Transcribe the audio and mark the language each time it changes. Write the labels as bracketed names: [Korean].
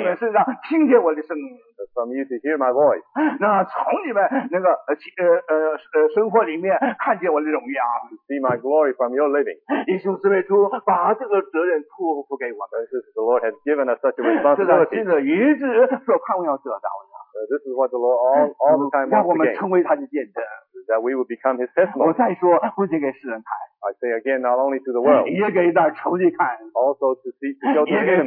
[Chinese] 从你们身上听见我的声音。 [English] From you to hear my voice. [Chinese] 那从你们那个生活里面看见我的荣耀。 [English] To see my glory from your living. [Chinese] 弟兄姊妹，主把这个责任托付给我们。 [English] This is the Lord has given us such a responsibility. [Chinese] 这是一直所盼望要得到的。 [English] This is what the Lord all the time wants to gain. [Chinese] 让我们成为他的见证。 [English] That we would become his testimony. [Chinese] 我再说，不仅给世人看。 [English] I say again, not only to the world, [Chinese] 也给那仇敌看。 [English] Also to see, to show to the enemy.